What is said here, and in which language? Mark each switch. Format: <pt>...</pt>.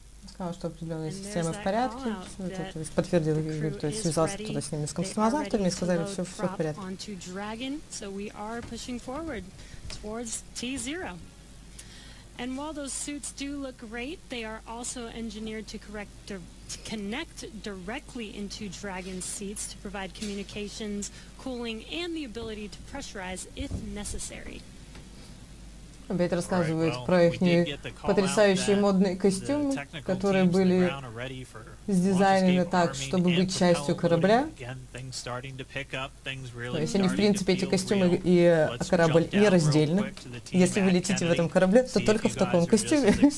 <ru>Сказал, что определенные системы в порядке, то есть подтвердил, то есть связался кто-то с ними, с космонавтами, и сказали, что все в порядке.</ru> <en>And while those suits do look great, they are also engineered to connect directly into Dragon seats to provide communications, cooling, and the ability to pressurize if necessary.</en> <ru>Опять рассказывают про их потрясающие модные костюмы, которые были сдизайнены так, чтобы быть частью корабля. То есть они, в принципе, эти костюмы и корабль не раздельны. Если вы летите в этом корабле, то только в таком костюме.</ru>